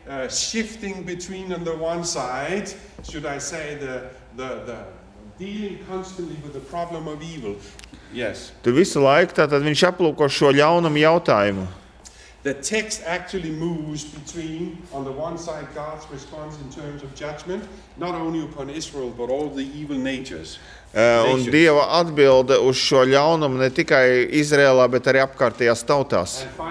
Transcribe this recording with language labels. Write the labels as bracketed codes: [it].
[en] Shifting between on the one side, should I say the dealing constantly with the problem of evil. Yes. [lv] Tu visu laiku, tātad viņš aplūko šo ļaunumu jautājumu. [en] The text actually moves between on the one side God's response in terms of judgment, not only upon Israel, but all the evil natures. [lv] Un Dieva atbilde uz šo ļaunumu ne tikai Izraēlā, bet arī apkārtējās tautās.